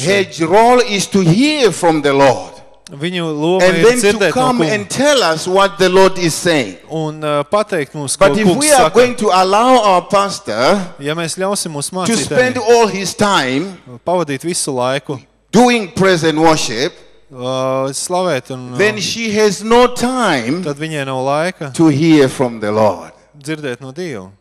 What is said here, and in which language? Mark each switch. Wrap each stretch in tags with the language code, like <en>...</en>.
<lv>šeit,</lv> <en>his role is to hear from the Lord.</en> <lv>Viņu loma ir dzirdēt no Kunga.</lv> <en>And tell us what the Lord is saying.</en> <lv>Un pateikt mums,</lv> <en>But</en> <lv>ko Kungs saka.</lv> <en>Going to allow our pastor,</en> <lv>ja mēs ļausim mūsu mācītājiem,</lv> <en>to spend all his time,</en> <lv>pavadīt visu laiku,</lv> <en>doing present worship,</en> <lv>slavēt un,</lv> <en>then she has no time,</en> <lv>tad viņai nav laika,</lv> <en>to hear from the Lord.</en> <lv>Dzirdēt no Dievu.</lv>